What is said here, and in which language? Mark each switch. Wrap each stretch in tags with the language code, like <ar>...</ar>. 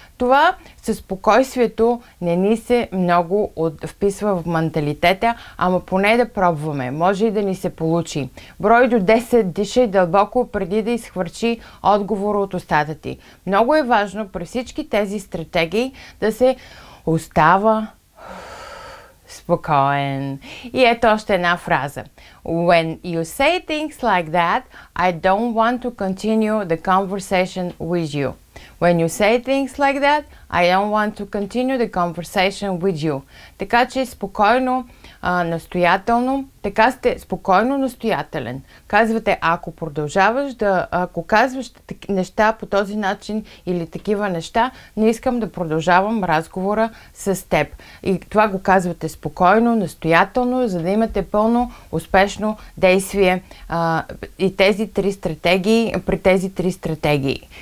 <bg>Това със спокойствието не ни се много вписва в менталитета, ама поне да пробваме. Може и да ни се получи. Брой до 10, дишай дълбоко преди да изхвърчи отговора от устата ти. Много е важно при всички тези стратегии да се остава спокоен. И ето още една фраза.</bg> <en>When you say things like that, I don't want to continue the conversation with you. When you say things like that, I don't want to continue the conversation with you.</en> <bg>Така че спокойно, настоятелно, така сте спокойно настоятелен. Казвате, ако продължаваш да, ако казваш неща по този начин или такива неща, не искам да продължавам разговора с теб. И това го казвате спокойно, настоятелно, за да имате пълно успешно действие и тези три стратегии, при тези три стратегии.</bg>